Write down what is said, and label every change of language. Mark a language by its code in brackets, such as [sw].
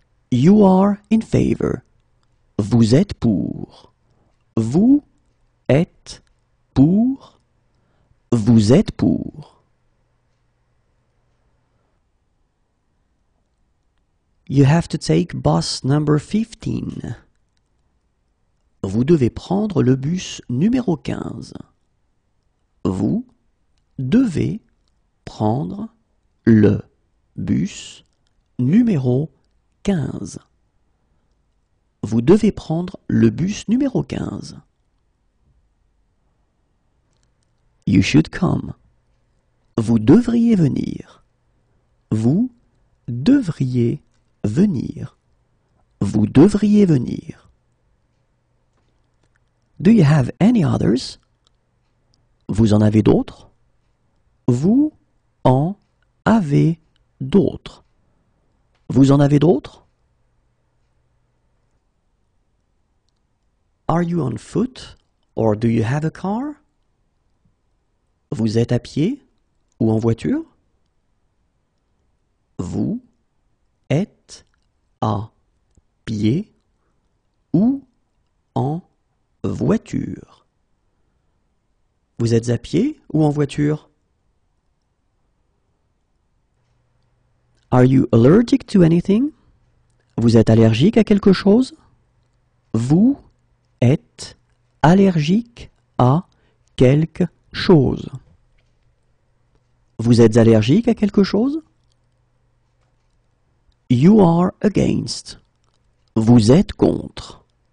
[en] You are in favor. [fr] Vous êtes pour. Vous êtes pour. Vous êtes pour. [en] You have to take bus number 15. [fr] Vous devez prendre le bus numéro 15. Vous devez prendre le bus numéro 15. Vous devez prendre le bus numéro 15. [en] You should come. [fr] Vous devriez venir. Vous devriez venir. Vous devriez venir. [en] Do you have any others? [fr] Vous en avez d'autres? Vous en avez d'autres. Vous en avez d'autres? [en] Are you on foot or do you have a car? [fr] Vous êtes à pied ou en voiture? Vous êtes à pied ou en voiture? Vous êtes à pied ou en voiture? [en] Are you allergic to anything? [fr] Vous êtes allergique à quelque chose? Vous êtes allergique à quelque chose? Vous êtes allergique à quelque chose? [en] You are against. [fr] Vous êtes contre.